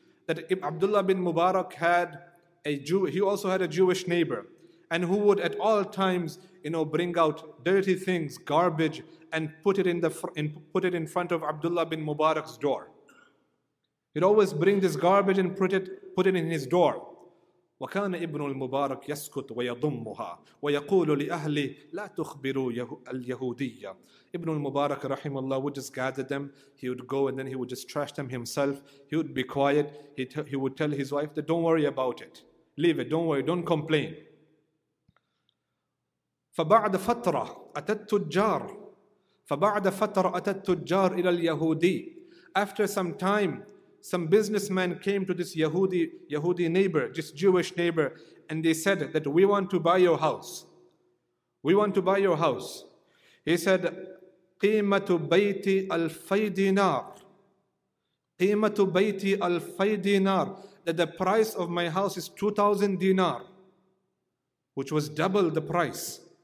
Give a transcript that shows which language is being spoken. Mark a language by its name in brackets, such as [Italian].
[English] That Abdullah bin Mubarak had a Jew, he also had a Jewish neighbor, and who would at all times, you know, bring out dirty things, garbage, and put it in front of Abdullah bin Mubarak's door. He'd always bring this garbage and put it in his door. [Arabic] وكان ابن المبارك يسكت ويضمها ويقول لأهلي لا تخبروا اليهودية. [English] Ibn al-Mubarak رحمه الله would just gather them. He would go and then he would just trash them himself. He would be quiet. He would tell his wife that don't worry about it. Leave it. Don't worry. Don't complain. [Arabic] فبعد فترة أتت تجار. فبعد فترة أتت تجار إلى اليهودي. [English] After some time, some businessmen came to this Yahudi neighbor, this Jewish neighbor, and they said that we want to buy your house. We want to buy your house. He said, [Arabic] قِيمَةُ بَيْتِ الْفَيْدِنَارِ قِيمَةُ بَيْتِ الْفَيْدِنَارِ [English] That the price of my house is 2,000 dinar, which was double the price.